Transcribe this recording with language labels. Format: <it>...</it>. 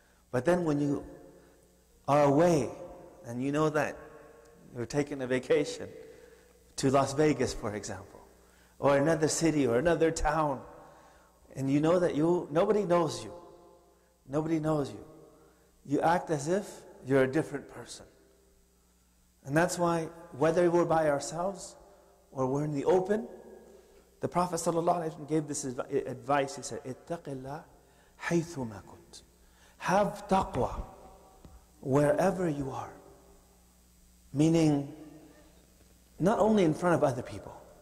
<en>But then when you are away and you know that you're taking a vacation to Las Vegas, for example, or another city, or another town, and you know that nobody knows you, you act as if you're a different person. And that's why, whether we're by ourselves, or we're in the open, the Prophet sallallahu alaihi wasallam gave this advice. He said,</en> <ar>اتَّقِ اللَّهِ حَيْثُمَا كُنْتُ.</ar> <en>Have taqwa wherever you are. Meaning, not only in front of other people.</en>